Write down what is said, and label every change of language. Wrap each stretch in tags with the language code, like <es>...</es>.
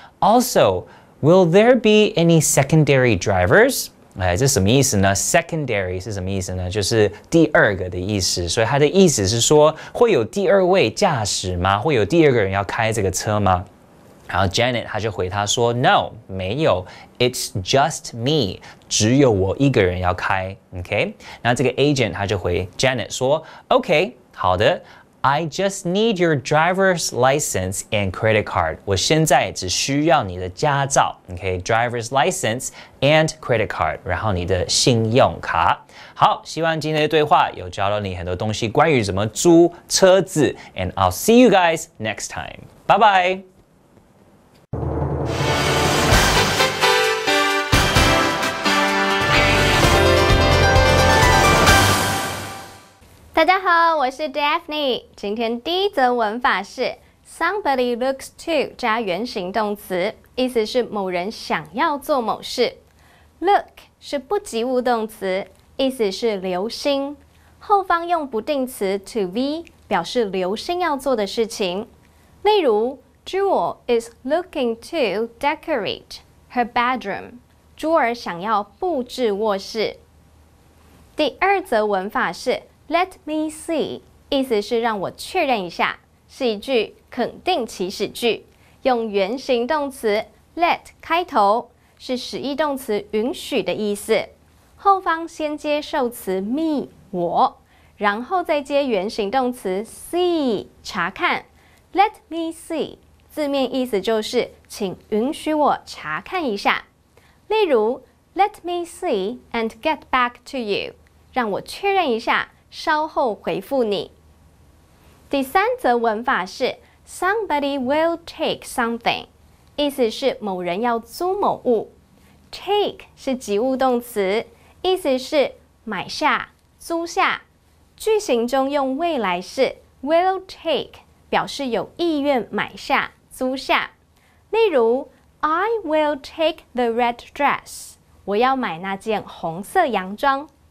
<en>Also, will there be any secondary drivers?</en> <zh>哎，这什么意思呢 ？Secondary 是什么意思呢？就是第二个的意思。所以它的意思是说，会有第二位驾驶吗？会有第二个人要开这个车吗？然后 Janet 她就回他说 ：</zh> <en>“No，</en> <zh>没有 ，</zh> <en>It's just me，</en> <zh>只有我一个人要开。</zh> <en>”OK，</en> <zh>那这个 agent 他就回 Janet 说</zh> <en>：“OK，</en> <zh>好的</zh> <en>，I just need your driver's license and credit card。</en> <zh>我现在只需要你的驾照 ，OK，</zh> <en>driver's license and credit card，</en> <zh>然后你的信用卡。” 好，希望今天的对话有教到你很多东西，关于怎么租车子。</zh> <en>And I'll see you guys next time. Bye bye. Hello,</en> <zh>我是 Daphne. 今天第一则文法是</zh> <en>somebody looks to</en> <zh>加原形动词，意思是某人想要做某事。 Look 是不及物动词，意思是留心。后方用不定词 to be 表示留心要做的事情。例如</zh> <en>，Jewel is looking to decorate her bedroom.</en> <zh>朱儿想要布置卧室。第二则文法是。</zh> <en>Let me see，</en> <zh>意思是让我确认一下，是一句肯定祈使句，用原形动词 let 开头，是使役动词允许的意思，后方先接受词 me 我，然后再接原形动词 see 查看。</zh> <en>Let me see</en> <zh>字面意思就是请允许我查看一下。例如</zh> <en>，Let me see and get back to you，</en> <zh>让我确认一下。稍后回复你。第三则文法是</zh> <en>somebody will take something，</en> <zh>意思是某人要租某物。 take 是及物动词，意思是买下、租下。句型中用未来式</zh> <en>will take</en> <zh>表示有意愿买下、租下。例如</zh> <en>，I will take the red dress，</en> <zh>我要买那件红色洋装。</zh>